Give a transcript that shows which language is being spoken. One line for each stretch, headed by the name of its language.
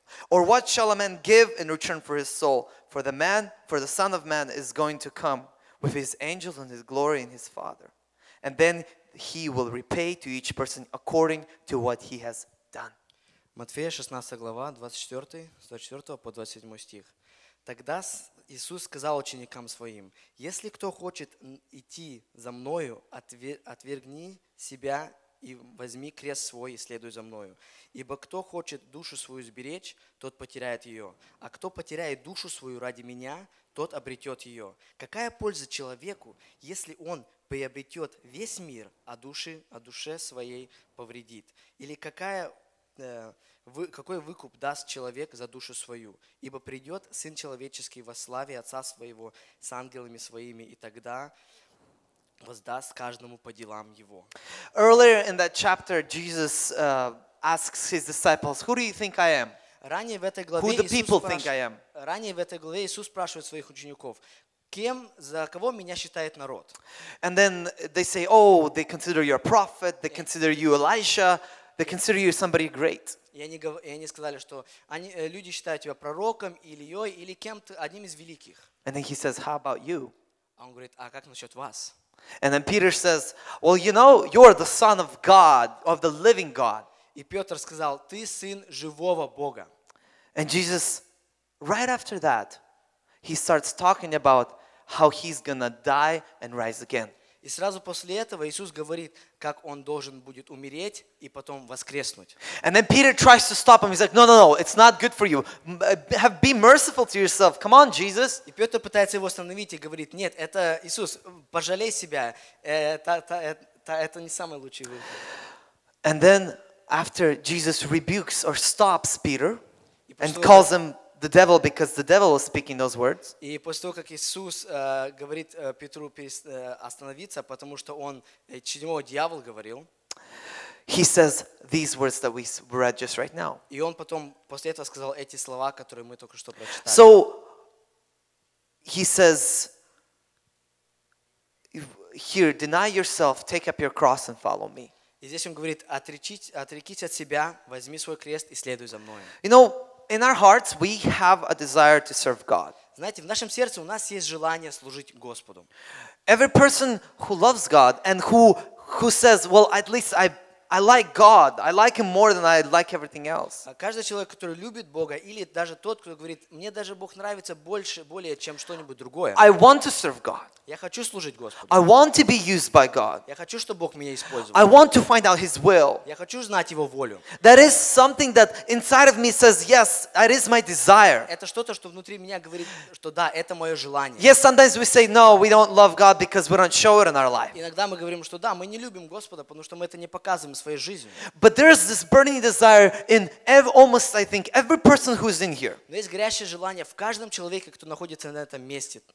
English: Or what shall a man give in return for his soul? For the Son of Man is going to come with his angels and his glory and his Father. And then he will repay to each person according to what he has done.
Russian: Матфея 16 глава, 24 по 27 стих. Тогда Иисус сказал ученикам своим, если кто хочет идти за мною, отвергни себя и возьми крест свой и следуй за мною. Ибо кто хочет душу свою сберечь, тот потеряет ее. А кто потеряет душу свою ради меня, тот обретет ее. Какая польза человеку, если он приобретет весь мир, а душе своей повредит? Или какая какой выкуп даст человек за душу свою? Ибо придет Сын Человеческий во славе Отца Своего с ангелами Своими, и тогда воздаст каждому по делам Его.
English: Earlier in that chapter, Jesus asks his disciples, who do you think I am? Who do people think I am?
Russian: Ранее в этой главе Иисус спрашивает своих учеников, кем, за кого меня считает народ?
English: And then they say, oh, they consider you a prophet, they consider you Elisha, they consider you somebody great.
Russian: И они сказали, что они, люди считают тебя пророком, Ильей, или кем-то, одним из великих.
English: And then he says, how about you?
Russian: Он говорит, а как насчет вас?
English: And then Peter says, well, you know, you're the son of God, of the living God.
Russian: И Петр сказал, ты сын живого Бога.
English: And Jesus, right after that, he starts talking about how he's gonna die and rise again.
Russian: И сразу после этого Иисус говорит, как он должен будет умереть и потом воскреснуть.
English: And then Peter tries to stop him. He's like, no, it's not good for you. Have be merciful to yourself. Come on, Jesus.
Russian: И Петр пытается его остановить и говорит, нет, это Иисус, пожалей себя. Это не самый лучший выход.
English: And then after Jesus rebukes or stops Peter and calls him the devil because the devil was speaking those words.
Russian: И после того, как Иисус говорит Петру остановиться, потому что он чьего дьявол говорил,
English: he says these words that we read just right now.
Russian: И он потом после этого сказал эти слова, которые мы только что прочитали.
English: So he says, here, deny yourself, take up your cross and follow me.
Russian: И здесь он говорит, отрекись от себя, возьми свой крест и следуй за мной.
English: You know, in our hearts, we have a desire to serve God.
Russian: Знаете, в нашем сердце у нас есть желание служить Господу.
English: Every person who loves God and who says, well, at least I like God, I like Him more than I like everything else.
Russian: Каждый человек, который любит Бога, или даже тот, кто говорит, мне даже Бог нравится больше, более, чем что-нибудь другое.
English: I want to serve God.
Russian: Я хочу служить Господу.
English: I want to be used by God.
Russian: Я хочу, чтобы Бог меня использовал.
English: I want to find out His will.
Russian: Я хочу знать Его волю.
English: That is something that inside of me says, yes, that is my desire.
Russian: Это что-то, что внутри меня говорит, что да, это мое желание.
English: Yes, sometimes we say, no, we don't love God because we don't show it in our life.
Russian: Иногда мы говорим, что да, мы не любим Господа, потому что мы это не показываем своей жизнью.
English: But there is this burning desire in almost, I think, every person who is in here.
Russian: Но есть горящее желание в каждом человеке, кто находится на этом месте.